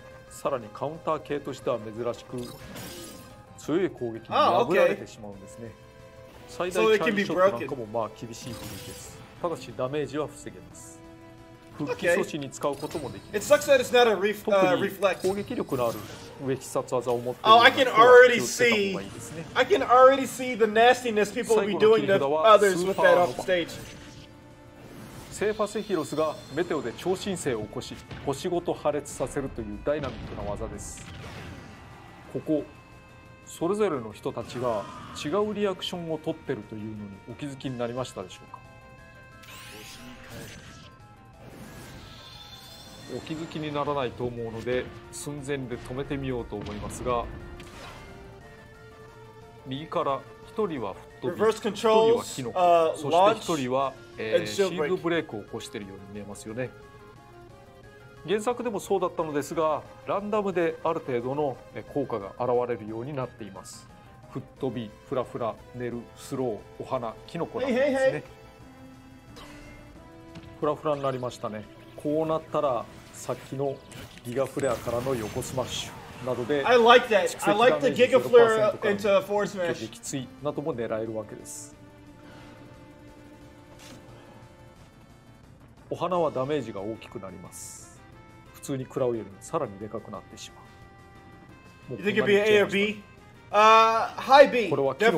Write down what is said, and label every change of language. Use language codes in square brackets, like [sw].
[ja] さらにカウンター系としては珍しく強い攻撃に破られてしまうんですね。最大チャンスショットなんかもまあ厳しい攻撃です。ただしダメージは防げます。復帰阻止に使うこともでき [en] る。Okay. It sucks that it's not a reflex. [ja] 特に攻撃力のある上必殺技を持っている [en] 。Oh, I can already see. I can already see the nastiness people will be doing to others with that off stage. [ja] セーファセヒロスがメテオで超新星を起こし、星ごと破裂させるというダイナミックな技です。ここそれぞれの人たちが違うリアクションを取ってるというのにお気づきになりましたでしょうか。お気づきにならないと思うので寸前で止めてみようと思いますが、右から1人は吹っ飛び、 [en] Reverse controls, 1 [ja] 人はキノコ、そして1人は、シールドブレイクを起こしているように見えますよね。原作でもそうだったのですが、ランダムである程度の効果が現れるようになっています。吹っ飛び、フラフラ、寝る、スロー、お花、キノコなんですね。 [en] hey, hey, hey. [ja] フラフラになりましたね。こうなったらさっきのギガフレアからの横スマッシュなどで、 [en] I like that. I like the Giga Flare into a Forward Smash. [ja] 激追なども狙えるわけです。お花はダメージが大きくなります。普通に食らうよりもさらにでかくなってしまう。 [en] You think it'd be A or B? High B. [ja] これはキノコ。